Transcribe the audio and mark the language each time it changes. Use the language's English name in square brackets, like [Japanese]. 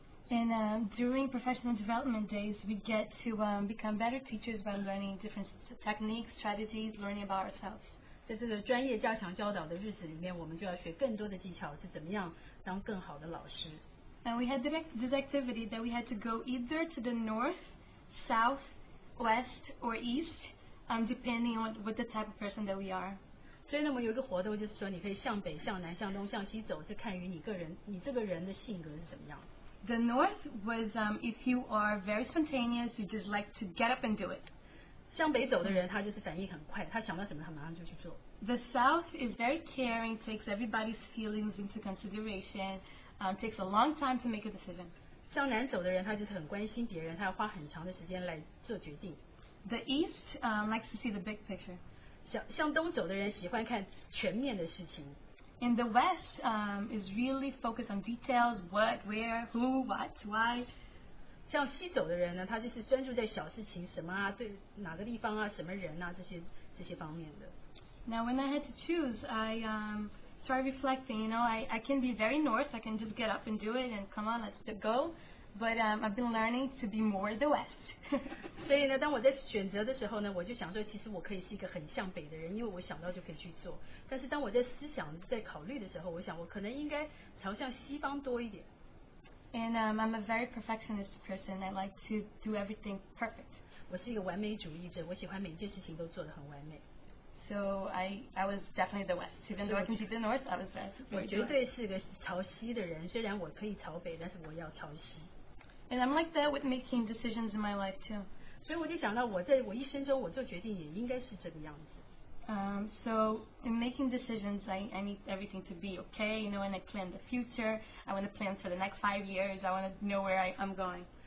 [English] And during professional development days, we get to become better teachers by learning different techniques, strategies, learning about ourselves. [Chinese] 在这个专业加强教导的日子里面，我们就要学更多的技巧，是怎么样当更好的老师。 [English] And we had this activity that we had to go either to the north, south, west, or east, depending on what the type of person that we are. [Chinese] 所以呢，我们有一个活动，就是说你可以向北、向南、向东、向西走，是看于你个人，你这个人的性格是怎么样。 [English] The north was if you are very spontaneous, you just like to get up and do it. [Chinese] 向北走的人, 他就是反应很快, 他想到什么, [English] the south is very caring, takes everybody's feelings into consideration, takes a long time to make a decision. [Chinese] 向南走的人, 他就是很关心别人, 他要花很长的时间来做决定。 [English] The east likes to see the big picture. [Chinese] 向东走的人喜欢看全面的事情。 [English] And the west is really focused on details, what, where, who, what, why. [Chinese] 向西走的人呢, 他就是专注在小事情, 什么啊, 对, 哪个地方啊, 什么人啊, 这些方面的。 [English] Now when I had to choose, I started reflecting, you know, I can be very north, I can just get up and do it and come on, let's go. But I've been learning to be more the west. [Chinese] 所以呢, 当我在选择的时候呢, 我就想说其实我可以是一个很向北的人, 因为我想到就可以去做。但是当我在思想, 在考虑的时候, 我想我可能应该朝向西方多一点。 [English] And I'm a very perfectionist person. I like to do everything perfect. [Chinese] 我是一个完美主义者, 我喜欢每件事情都做得很完美。 [English] So I was definitely the west. Even though I can be the north, I was west. [Chinese] 我绝对是个朝西的人, 虽然我可以朝北, 但是我要朝西。 [English] And I'm like that with making decisions in my life too. [Chinese] 所以我就想到我在我一生中我做决定也应该是这个样子。 [English] So in making decisions, I need everything to be okay, you know, and I plan the future, I want to plan for the next 5 years, I want to know where I'm going.